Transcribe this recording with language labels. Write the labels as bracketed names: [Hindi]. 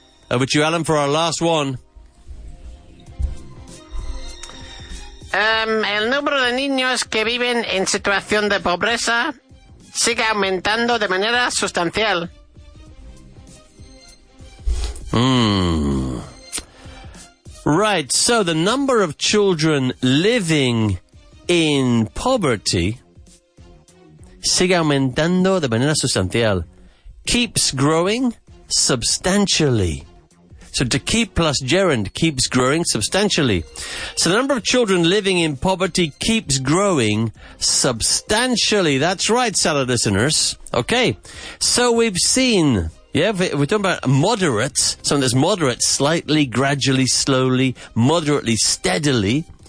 [English] Over to you, Alan, for our last one. [Spanish] El número de niños que viven en situación de pobreza sigue aumentando de manera sustancial. [English] Right, so the number of children living in poverty [Spanish] sigue aumentando de manera sustancial. [English] Keeps growing substantially. So to keep plus gerund, keeps growing substantially. So the number of children living in poverty keeps growing substantially. That's right, salad listeners. Okay, so we've seen, we're talking about moderate, something that's moderate, slightly, gradually, slowly, moderately, steadily.